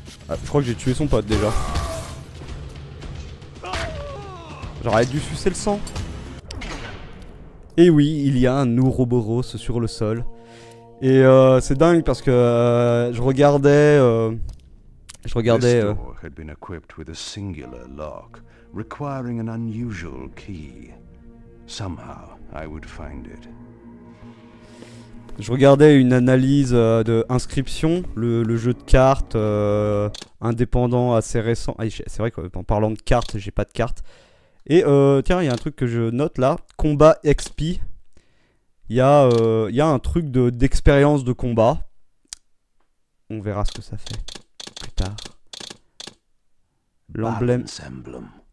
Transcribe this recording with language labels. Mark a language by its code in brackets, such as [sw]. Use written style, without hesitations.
[fr] Ah, je crois que j'ai tué son pote déjà. J'aurais dû sucer le sang. Et oui, il y a un Ouroboros sur le sol. Et c'est dingue parce que je regardais. [en] This door had been equipped with a singular lock, requiring an unusual key. Somehow, I would find it. [fr] Je regardais une analyse de Inscription, le jeu de cartes indépendant assez récent. Ah, c'est vrai qu'en parlant de cartes, j'ai pas de cartes. Et tiens, il y a un truc que je note là, combat XP. Il y a un truc d'expérience de combat. On verra ce que ça fait plus tard. L'emblème. Balance emblem.